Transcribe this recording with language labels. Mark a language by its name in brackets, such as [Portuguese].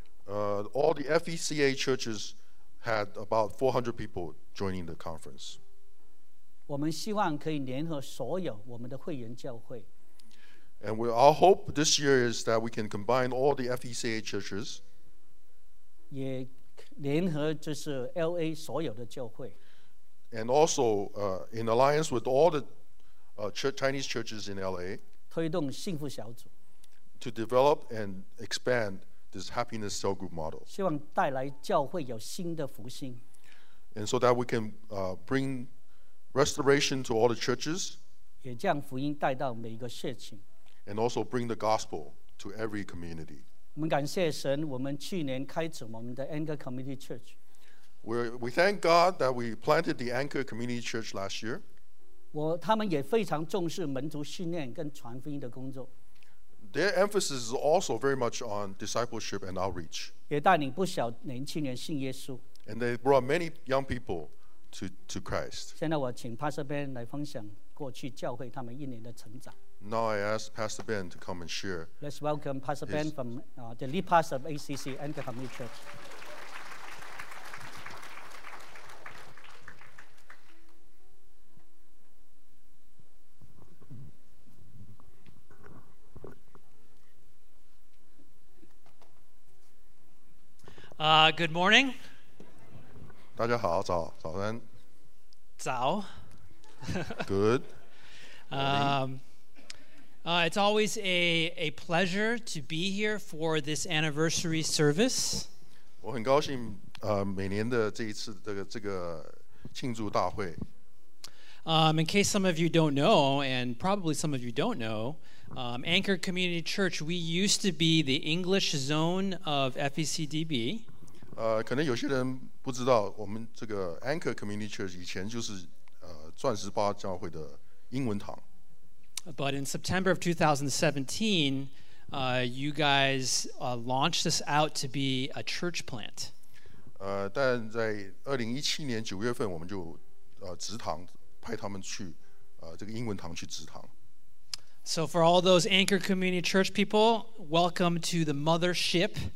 [English] All the FECA churches had about 400 people joining the conference. [Chinese] 我们希望可以联合所有我们的会员教会。 [English] And our hope this year is that we can combine all the FECA churches. [Chinese] 也联合就是 LA 所有的教会 [English] and also in alliance with all the Chinese churches in LA [Chinese] 推动幸福小组 [English] to develop and expand this happiness cell group model [Chinese] 希望带来教会有新的复兴 [English] and so that we can bring restoration to all the churches [Chinese] 也将福音带到每一个社群 [English] and also bring the gospel to every community [Chinese] 我们感谢神，我们去年开始我们的 Anchor Community Church。 [English] We thank God that we planted the Anchor Community Church last year。 [Chinese] 他们也非常重视门徒训练跟传福音的工作。 [English] Their emphasis is also very much on discipleship and outreach. And they brought many young people to Christ. Now I ask Pastor Ben to come and share. Let's welcome Pastor Ben from the lead pastor of ACC Anchor Community Church. Good morning. [Chinese] 大家好, 早安. 早. [English] Good. It's always a pleasure to be here for this anniversary service. [Chinese] 我很高兴, 每年的这一次这个庆祝大会. [English] In case some of you don't know, and probably some of you don't know, Anchor Community Church, we used to be the English zone of FECDB. [Chinese] 可能有些人不知道 我们这个Anchor Community Church 以前就是 钻石八教会的英文堂 [English] But in September of 2017 you guys launched us out to be a church plant [Chinese] 但在2017年9月份 我们就 植堂 派他们去 这个英文堂去植堂 [English] So for all those Anchor Community Church people welcome to the mothership